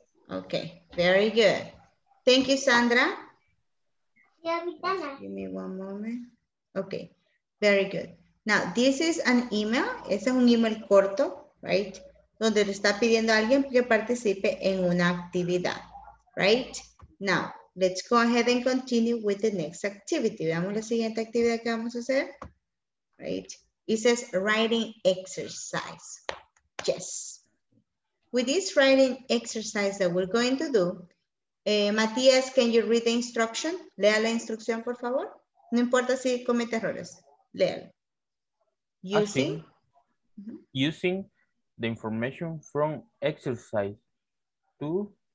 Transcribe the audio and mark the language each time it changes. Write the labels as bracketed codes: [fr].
[en] Okay, very good. Thank you, Sandra. Give me one moment. Okay, very good. Now, this is an email. [es] Ese es un email corto, [en] right? [es] Donde le está pidiendo a alguien que participe en una actividad, [en] right? Now, let's go ahead and continue with the next activity. [es] Veamos la siguiente actividad que vamos a hacer, [en] right? It says writing exercise. Yes. With this writing exercise that we're going to do, Matías, can you read the instruction? [es] Lea la instrucción, por favor. No importa si comete errores. Léalo. [en] Using, using the information from exercise 2.